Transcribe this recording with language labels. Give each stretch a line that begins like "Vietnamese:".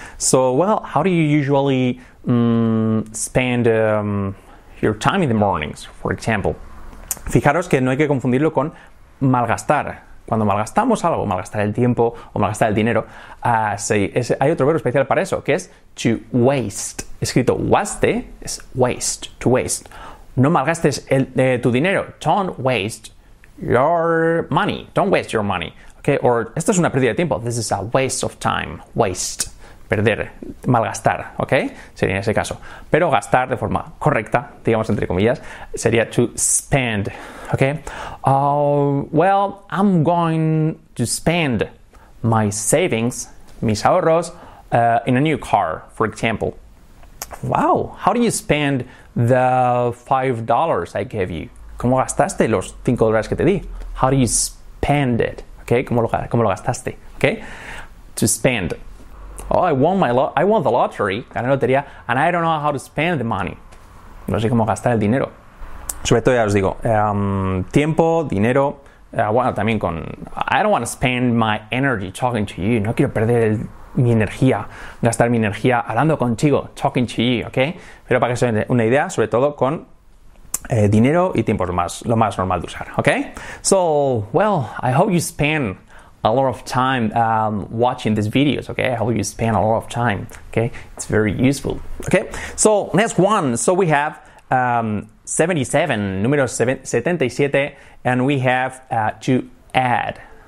English: So, well, how do you usually spend your time in the mornings, for example?
Spanish: Fijaros que no hay que confundirlo con malgastar. Cuando malgastamos algo, malgastar el tiempo o malgastar el dinero, hay otro verbo especial para eso, que es
English: to waste.
Spanish: Escrito waste, es waste,
English: to waste.
Spanish: No malgastes tu dinero.
English: Don't waste your money. Don't waste your money. Okay? Or,
Spanish: esto es una pérdida de tiempo.
English: This is a waste of time. Waste.
Spanish: Perder, malgastar, ¿ok? Sería en ese caso. Pero gastar de forma correcta, digamos entre comillas, sería
English: to spend,
Spanish: ¿ok?
English: Well, I'm going to spend my savings,
Spanish: mis ahorros,
English: in a new car, for example. Wow, how do you spend the $5 I gave you?
Spanish: ¿Cómo gastaste los $5 que te di?
English: How do you spend it?
Spanish: ¿Ok? ¿Cómo lo gastaste? ¿Ok?
English: To spend. Oh, I won the lottery,
Spanish: gané la lotería,
English: and I don't know how to spend the money.
Spanish: No sé cómo gastar el dinero. Sobre todo, ya os digo, tiempo, dinero, bueno, también con...
English: I don't want to spend my energy talking to you.
Spanish: No quiero perder gastar mi energía hablando contigo,
English: talking to you,
Spanish: ¿ok? Pero para que se den una idea, sobre todo con dinero y tiempo, lo más normal de usar, ¿ok?
English: So, well, I hope you spend a lot of time watching these videos, okay? How you spend a lot of time, okay? It's very useful, okay? So, next one. So, we have 77, número 77, and we have to add.